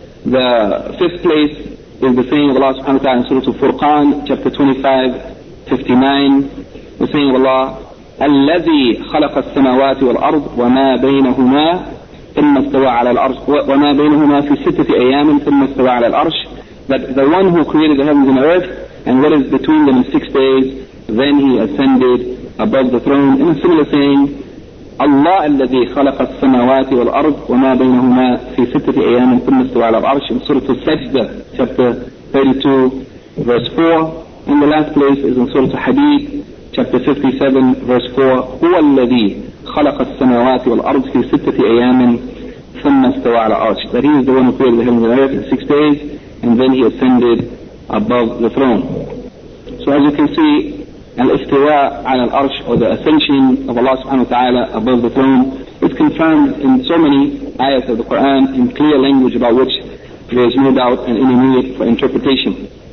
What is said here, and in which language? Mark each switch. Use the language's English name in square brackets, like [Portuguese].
[English] The fifth place is the saying of Allah subhanahu wa ta'ala in Surah Furqan, chapter 25, 59. The saying of Allah, [Arabic] الَّذِي خَلَقَ السَّمَوَاتِ وَالْأَرْضِ وَمَا بَيْنَهُمَا ثُمَّ اسْتَوَى عَلَى الْأَرْشِ [English] وَمَا بَيْنَهُمَا فِي سِتَّةِ أَيَّامٍ ثُمَّ اسْتَوَى عَلَى الْأَرْشِ. That the one who created the heavens and the earth, and what is between them in 6 days, then he ascended above the throne. In a similar saying, Allah [Arabic] الذي خلق السماوات والأرض وما بينهما في ستة أيام ثم استوى على العرش, [English] in Surah Al-Sajda, chapter 32, verse 4. And the last place is in Surah Al-Hadid, chapter 57, verse 4. [Arabic] هو الذي خلق السماوات والأرض في ستة أيام ثم استوى على العرش. [English] That he is the one who created the heavens and earth in 6 days, and then he ascended above the throne. So as you can see, al-istiwa ala al-arsh, or the ascension of Allah subhanahu wa ta'ala above the throne, is confirmed in so many ayats of the Quran in clear language about which there is no doubt and any need for interpretation.